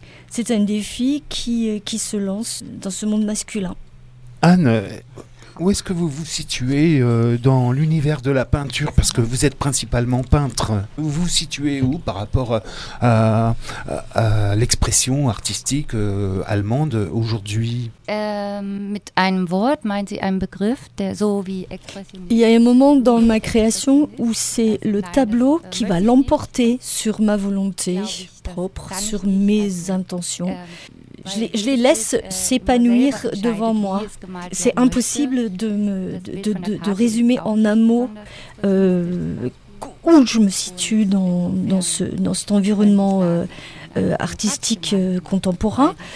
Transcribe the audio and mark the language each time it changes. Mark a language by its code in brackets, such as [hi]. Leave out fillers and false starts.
[fr] C'est un défi qui se lance dans ce monde masculin. Anne, où est-ce que vous vous situez dans l'univers de la peinture? Parce que vous êtes principalement peintre. Vous vous situez où par rapport à l'expression artistique allemande aujourd'hui? [de] Mit einem Wort, meint sie einen Begriff, der so wie expressionniste. [fr] Il y a un moment dans ma création où c'est le tableau qui va l'emporter sur ma volonté propre, sur mes intentions. Je les laisse s'épanouir devant moi. C'est impossible de résumer en un mot où je me situe dans cet environnement artistique contemporain.